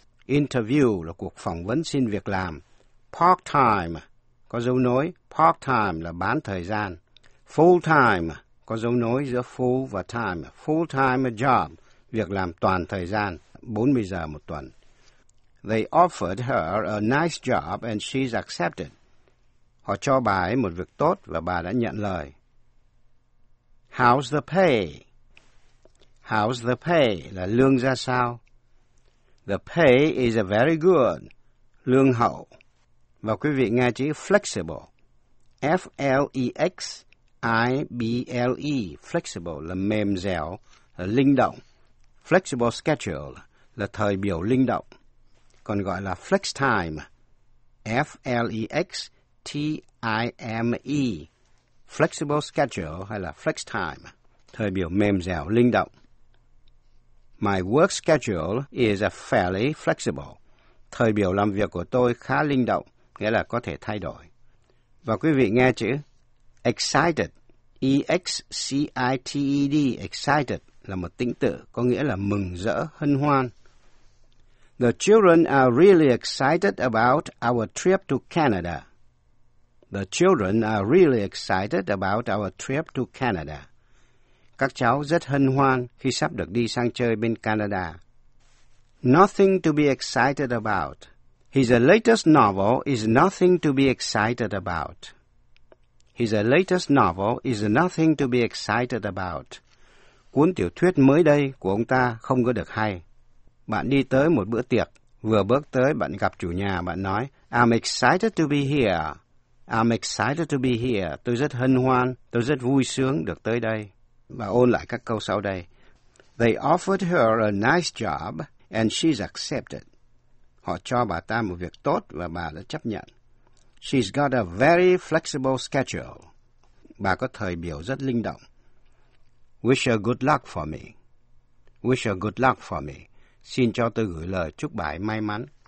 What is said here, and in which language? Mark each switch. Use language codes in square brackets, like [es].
[vi] Interview là cuộc phỏng vấn xin việc làm. Part-time, có dấu nối, part-time là bán thời gian. Full-time, có dấu nối giữa full và time. Full-time job, việc làm toàn thời gian, 40 giờ một tuần. [en] They offered her a nice job and she's accepted. [vi] Họ cho bà ấy một việc tốt và bà đã nhận lời. [en] How's the pay? How's the pay? [vi] Là lương ra sao? [en] The pay is a very good. [vi] Lương hậu. Và quý vị nghe chữ flexible. F-L-E-X-I-B-L-E. Flexible là mềm dẻo, là linh động. Flexible schedule là thời biểu linh động. Còn gọi là flex time. F-L-E-X-T-I-M-E. Flexible schedule hay là flex time, thời biểu mềm dẻo, linh động. [en] My work schedule is fairly flexible. [vi] Thời biểu làm việc của tôi khá linh động, nghĩa là có thể thay đổi. Và quý vị nghe chữ excited, E-X-C-I-T-E-D, excited là một tính tự, có nghĩa là mừng rỡ, hân hoan. [en] The children are really excited about our trip to Canada. The children are really excited about our trip to Canada. [vi] Các cháu rất hân hoan khi sắp được đi sang chơi bên Canada. [en] Nothing to be excited about. His latest novel is nothing to be excited about. His latest novel is nothing to be excited about. [vi] Cuốn tiểu thuyết mới đây của ông ta không có được hay. Bạn đi tới một bữa tiệc. Vừa bước tới, bạn gặp chủ nhà. Bạn nói, [en] I'm excited to be here. I'm excited to be here. [vi] Tôi rất hân hoan, tôi rất vui sướng được tới đây. Và ôn lại các câu sau đây. [en] They offered her a nice job and she's accepted. [vi] Họ cho bà ta một việc tốt và bà đã chấp nhận. [en] She's got a very flexible schedule. [vi] Bà có thời biểu rất linh động. [en] Wish her good luck for me. Wish her good luck for me. [vi] Xin cho tôi gửi lời chúc bà may mắn.